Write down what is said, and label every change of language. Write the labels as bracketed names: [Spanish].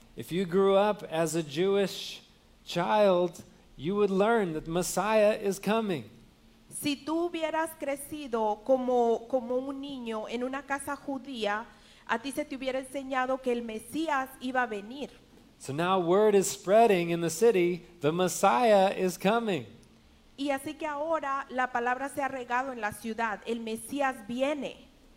[English] If you grew up as a Jewish child, you would learn that Messiah is coming. [Spanish] Si tú hubieras crecido como un niño en una casa judía, a ti se te hubiera enseñado que el Mesías iba a venir. [English] So now word is spreading in the city, the Messiah is coming. [Spanish] Y así que ahora la palabra se ha regado en la ciudad, el Mesías viene.